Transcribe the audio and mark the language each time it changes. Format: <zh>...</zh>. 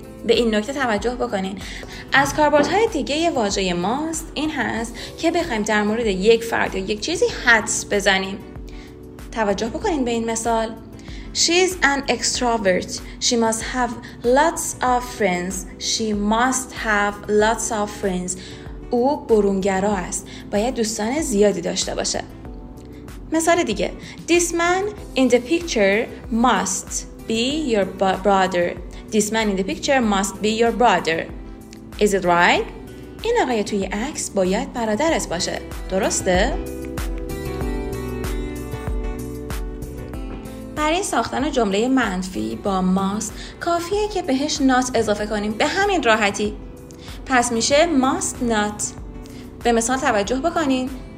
<fa>به این نکته توجه بکنین. از کاربردهای دیگه واژه ماست این هست که بخوایم در مورد یک فرد یا یک چیزی حدس بزنیم. توجه بکنین به این مثال.</fa> <en>She's an extrovert. She must have lots of friends. She must have lots of friends.</en> <fa>او برونگرا است. باید دوستان زیادی داشته باشه. مثال دیگه.</fa> <en>This man in the picture must be your brother. This man in the picture must be your brother. Is it right?</en> <fa>این آقای توی عکس باید برادرت باشه. درسته؟ برای ساختن جمله منفی با must کافیه که بهش not اضافه کنیم به همین راحتی. پس میشه must not. به مثال توجه بکنین.</fa>